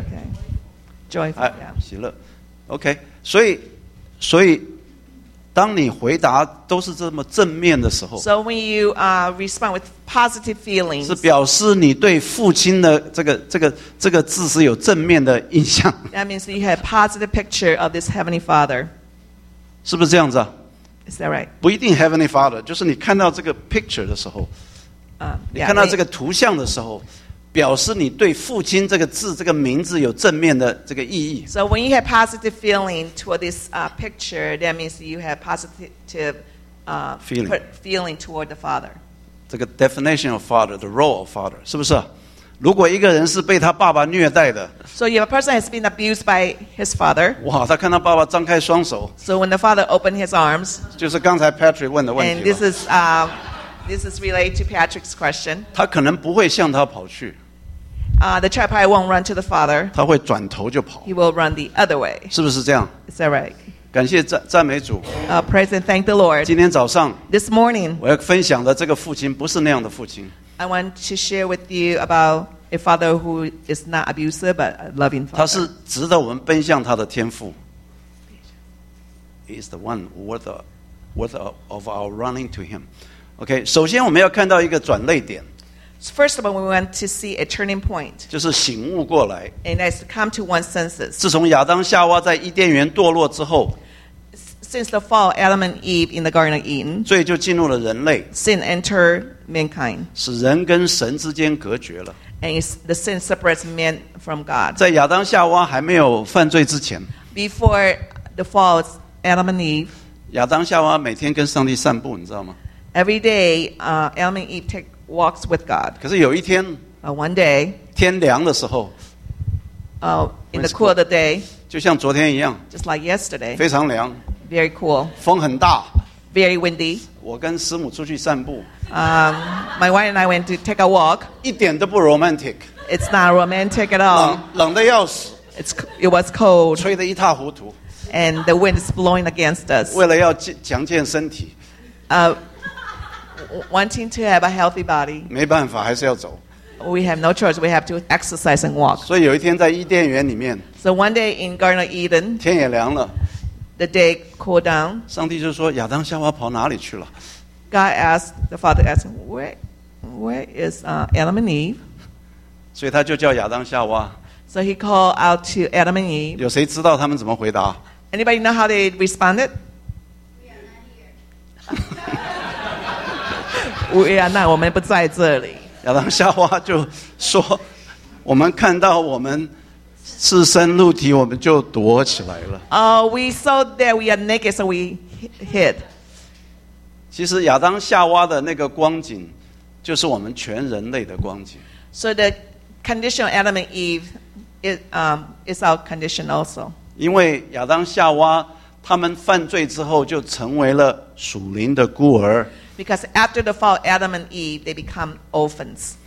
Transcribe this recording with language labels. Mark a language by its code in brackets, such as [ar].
[en] Okay. Joyful, yeah. [zh] 喜乐 ，OK， 所以，当你回答都是这么正面的时候 [en] ，So when you respond with positive feelings， [zh] 是表示你对父亲的这个字是有正面的印象。 [en] That means you have positive picture of this heavenly father， [zh] 是不是这样子啊 [en] ？Is that right？ [zh] 不一定 heavenly father， 就是你看到这个 picture 的时候， [en] yeah, [zh] 你看到这个图像的时候。表示你对父亲这个字这个名字有正面的这个意义 [en] So when you have positive feeling toward this picture that means you have positive feeling toward the father [zh] 这个 [en] definition of father the role of father [zh] 是不是如果一个人是被他爸爸虐待的 [en] So if a person has been abused by his father [zh] 哇他看到爸爸张开双手 [en] So when the father opened his arms [zh] 就是刚才 Patrick 问的问题 [en] And this is This is related to Patrick's question. [zh] 他可能不会向他跑去。 [en] The child probably won't run to the father. [zh] 他会转头就跑。 [en] He will run the other way. [zh] 是不是这样 [en] ？Is that right? [zh] 感谢赞美主。 [en] Praise and thank the Lord. [zh] 今天早上 [en] ，This morning， [zh] 我要分享的这个父亲不是那样的父亲。 [en] I want to share with you about a father who is not abusive but a loving father. [zh] 他是值得我们奔向他的天父。 [en] He is the one worth of our running to him. [zh] OK， 首先我们要看到一个转捩点。 [en] So、first of all, we want to see a turning point. [zh] 就是醒悟过来。 [en] And as to come to one's senses. [zh] 自从亚当夏娃在伊甸园堕落之后 [en] ，Since the fall, Adam and Eve in the Garden of Eden. [zh] 罪就进入了人类。 [en] Sin entered mankind. [zh] 使人跟神之间隔绝了。 [en] And the sin separates man from God. [zh] 在亚当夏娃还没有犯罪之前 [en] ，Before the fall, Adam and Eve. [zh] 亚当夏娃每天跟上帝散步，你知道吗？ [en] Every day, Adam and Eve take walks with God. [zh] 可是有一天 [en] one day, [zh] 天凉的时候 [en] in the cool of the day, [zh] 就像昨天一样 [en] just like yesterday, [zh] 非常凉 [en] very cool, [zh] 风很大 [en] very windy. [zh] 我跟师母出去散步 [en] my wife and I went to take a walk. [zh] 一点都不 romantic. [en] It's not romantic at all. [zh] 冷得要死. [en] It was cold. [zh] 吹得一塌糊涂. [en] And the wind is blowing against us. [zh] 为了要强健身体. [en] Wanting to have a healthy body. [zh] 没办法, 还是要走. [en] We have no choice. We have to exercise and walk. [zh] 所以有一天在伊甸园里面, [en] so one day in Garden of Eden, [zh] 天也凉了, [en] the day cooled down. [zh] 上帝就说, 亚当夏娃跑哪里去了? [en] God asked, the father asked, where is Adam and Eve? [zh] 所以他就叫亚当夏娃, [en] so he called out to Adam and Eve. [zh] 有谁知道他们怎么回答? [en] Anybody know how they responded? We are not here. We are not, [zh] 我们不在这里。亚当夏娃就说, 我们看到我们赤身露体, 我们就躲起来了。 [en] We saw that we are naked, so we hid. [zh] 其实亚当夏娃的那个光景, 就是我们全人类的光景。 [en] So the condition of Adam and Eve is our condition also. [zh] 因为亚当夏娃, 他们犯罪之后, 就成为了属灵的孤儿。 [en] Because after the fall of Adam and Eve, they become orphans.